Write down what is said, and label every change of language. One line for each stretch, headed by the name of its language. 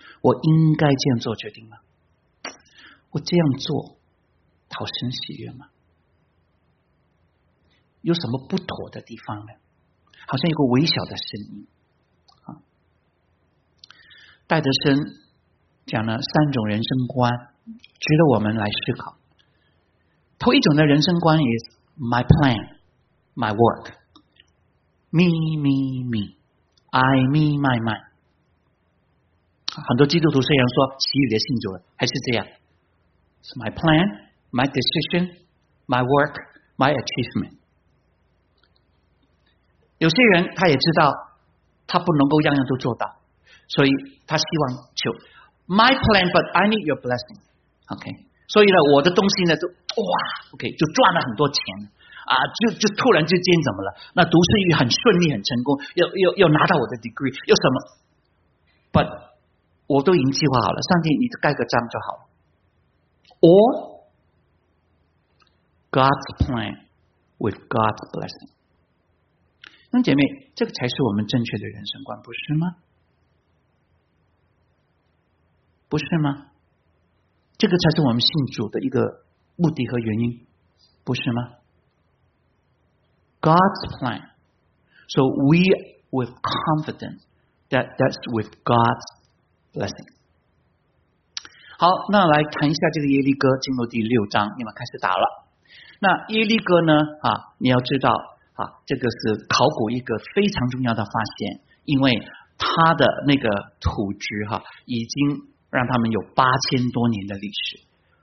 Chinese: 我应该这样做决定吗？我这样做讨神喜悦吗？有什么不妥的地方呢？好像有个微小的声音。戴德森讲了三种人生观，值得我们来思考。头一种的人生观
English: is my plan, my work, me, me, me, I, me, my, my。
Chinese: 很多基督徒虽然说其余的信主了还是这样，
English: It's my plan, my decision, my work, my achievement。
Chinese: 有些人他也知道他不能够样样都做到，所以他希望求
English: My plan but I need your blessing、okay?
Chinese: 所以呢，我的东西呢就哇 OK 就赚了很多钱啊，就突然之间怎么了，那读书也很顺利很成功，又拿到我的 degree 又什么， but 我都已经计划好了，上帝你盖个章就好了。
English: Or God's plan with God's blessing。
Chinese: 那姐妹，这个才是我们正确的人生观，不是吗？不是吗？这个才是我们信主的一个目的和原因，不是吗？
English: God's plan, so we with confidence that that's with God's blessing。
Chinese: 好，那来谈一下这个耶利哥，进入第六章，你们开始打了。那耶利哥呢，你要知道啊，这个是考古一个非常重要的发现，因为它的那个土质哈、已经让他们有8000多年的历史。